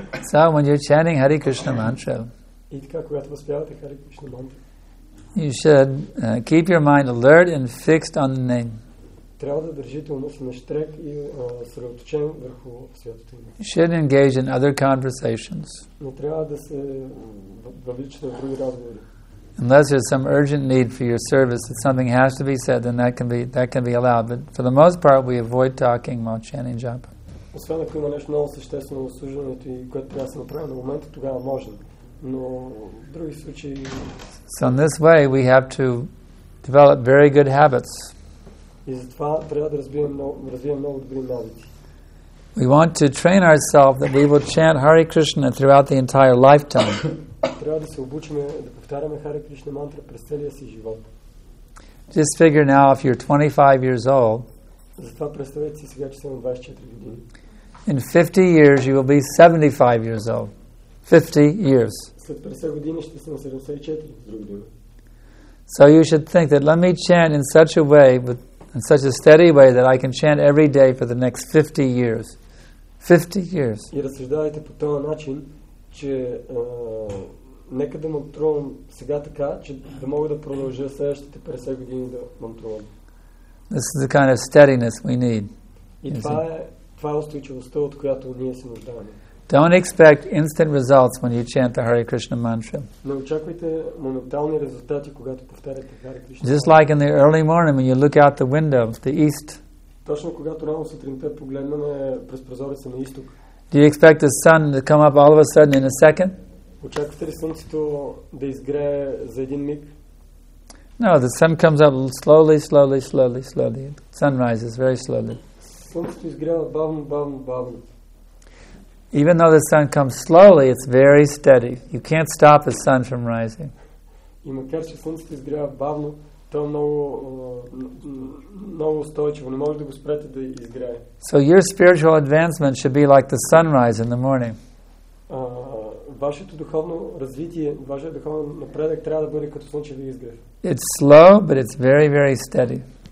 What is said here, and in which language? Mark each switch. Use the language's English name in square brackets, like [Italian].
[English] So when you're chanting Hare Krishna mantra, you should keep your mind alert and fixed on the name. [Bulgarian] трябва да държите ума си на штрек и съсредоточен върху святото име. [English] Should engage in other conversations. [Bulgarian] Не трябва да се въвличате в други разговори. [English] Unless there's some urgent need for your service, that something has to be said, then that can be allowed. But for the most part, we avoid talking while chanting japa. [Bulgarian] Освен ако има нещо много съществено в служението и което трябва да се направи на момента, тогава може. Но в други случаи... [English] So in this way, we have to develop very good habits. [Bulgarian] И затова трябва да развием много добри навици. [English] We want to train ourselves that we will chant Hare Krishna throughout the entire lifetime. [Bulgarian] Трябва да се обучиме да повтаряме Хари Кришна мантра през целия си живот. [English] Just figure now if you're 25 years old. [Bulgarian] Затова представете си сега, че съм 24 години. [English] In 50 years you will be 75 years old. 50 years. [Bulgarian] След 50 години ще съм 74 години. [English] So you should think that let me chant in such a way with in such a steady way that I can chant every day for the next 50 years. 50 years. [Bulgarian] И разсъждавайте по този начин, че нека да мантрувам сега така, че да мога да продължа следващите 50 години да мантрувам. [English] This is the kind of steadiness we need. [Bulgarian] И това е устойчивостта, от която ние се нуждаваме. [English] Don't expect instant results when you chant the Hare Krishna mantra. [Bulgarian] Не очаквайте моментални резултати, когато повтаряте Hare Krishna. [English] Just like in the early morning when you look out the window of the east. [Bulgarian] Точно когато рано сутринта погледнем през прозореца на изток. [English] Do you expect the sun to come up all of a sudden in a second? [Bulgarian] Очаквате ли слънцето да изгрее за един миг? [English] No, the sun comes up slowly, slowly, slowly, slowly. The sun rises very slowly. [Bulgarian] Слънцето изгрява бавно, бавно, бавно. [English] Even though the sun comes slowly, it's very steady. You can't stop the sun from rising. [Bulgarian] И макар че слънцето изгрява бавно, то е много, много устойчиво. Не може да го спрете да изгрее. [English] So your spiritual advancement should be like the sunrise in the morning. [Bulgarian] Вашето духовно развитие, вашия духовен напредък трябва да бъде като слънчевия изгрев. [English] It's slow, but it's very, very steady.